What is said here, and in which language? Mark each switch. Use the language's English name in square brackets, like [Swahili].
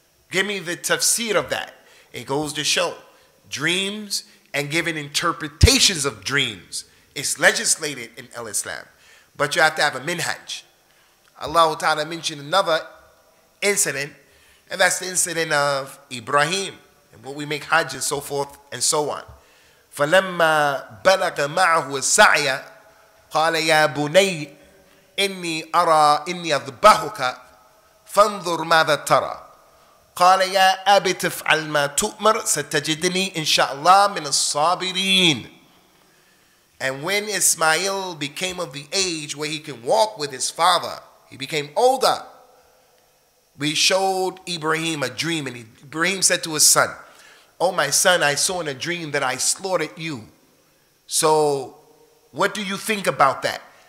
[English] Give me the tafsir of that. It goes to show dreams and giving interpretations of dreams. It's legislated in al-Islam. But you have to have a minhaj. Allah Ta'ala mentioned another incident, and that's the incident of Ibrahim and what we make hajj and so forth and so on. [Arabic] فَلَمَّا بَلَغَ مَعَهُ السَّعْيَ قَالَ يَا بُنَيَّ إني أرى إني أذبحك فانظر ماذا ترى قال يا أبي تفعل ما تؤمر ستجدني إن شاء الله من الصابرين. [English] And when Ismail became of the age where he can walk with his father, he became older, we showed Ibrahim a dream, and Ibrahim said to his son, oh my son, I saw in a dream that I slaughtered you, so what do you think about that?